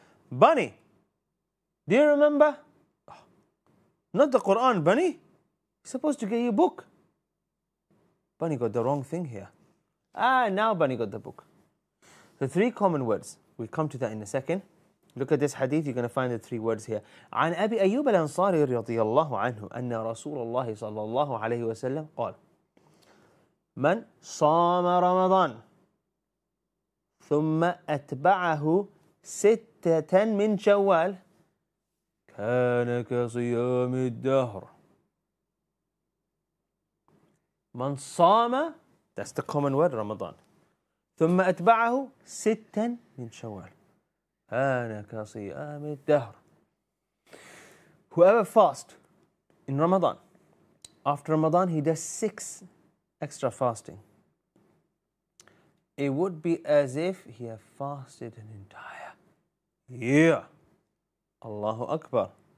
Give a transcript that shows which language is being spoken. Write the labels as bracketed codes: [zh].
[en] Bunny, do you remember? Oh, not the Quran, Bunny. It's supposed to get you a book. Bunny got the wrong thing here. Ah, now Bunny got the book. The three common words. We'll come to that in a second. Look at this hadith. You're going to find the three words here. [ar] عن أبي أيوب الأنصاري رضي الله عنه أن رسول الله صلى الله عليه وسلم قال من صام رمضان ثم أتبعه ستة من شوال كان كصيام الدهر. من صام, [en] that's the common word, Ramadan. [ar] ثم أتبعه ستا من شوال. أنا كصيام الدهر. [en] Whoever fast in Ramadan, after Ramadan he does 6 extra fasting, it would be as if he had fasted an entire year. Allahu Akbar.